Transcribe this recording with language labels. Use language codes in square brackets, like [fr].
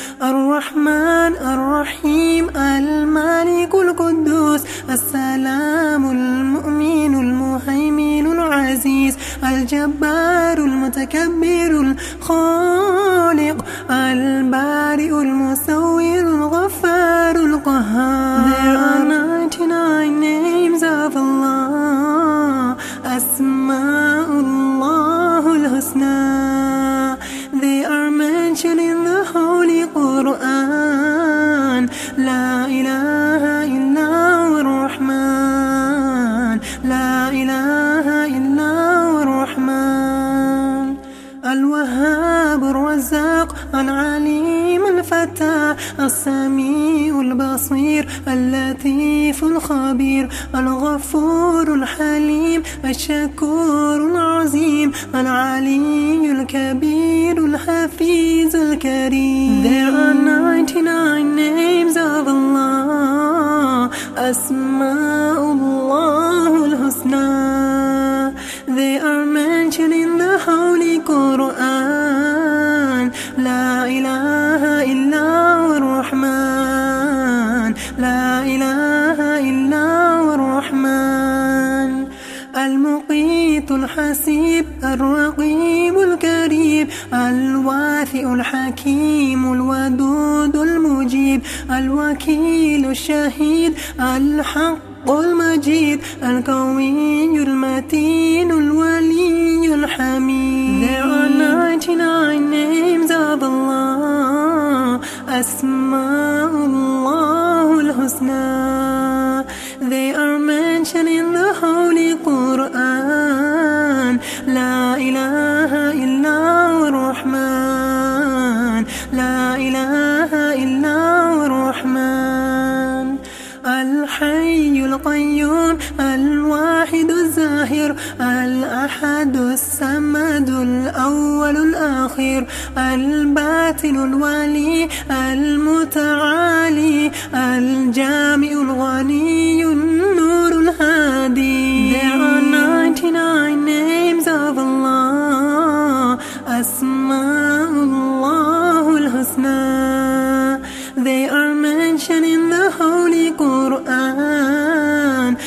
[ar] الرحمن الرحيم الملك القدوس السلام المؤمن المهيمن العزيز الجبار المتكبر الخالق البارئ المصور الغفار القهار. [en] There are 99 names of Allah. [ar] أسماء الله الحسنى. [en] They are mentioned in the Holy Quran. [ar] لا إله إلا الله الرحمن. لا إله إلا الله الرحمن. الوهاب الرزاق العليم الفتى السميع البصير اللطيف الخبير الغفور الحليم الشكور العظيم العلي الكبير الحفيظ الكريم. [en] There are 99 names of Allah. [ar] أسماء الله الحسنى. [en] They are mentioned in the Holy Quran. [ar] لا إله إلا الله الرحمن. لا إله إلا الله الرحمن. المقيت الحسيب الرقيب الكريم الواثق الحكيم الودود المجيب الوكيل الشهيد الحق المجيد القوي المتين الولي الحميد. [en] There are 99 names of Allah. [ar] أسماء الله الحسنى. [en] They are mentioned in the Holy Quran. [ar] لا إله إلا الله الرحمن. لا إله إلا الله الرحمن. الحي القيوم الواحد الظاهر الأحد الصمد الأول الآخر الباطن الولي المتعالي الجامع الغني النور الهادي. [en] There are 99 names of Allah. [ar] أسماء الله الحسنى. [en] They are mentioned in the Holy Quran.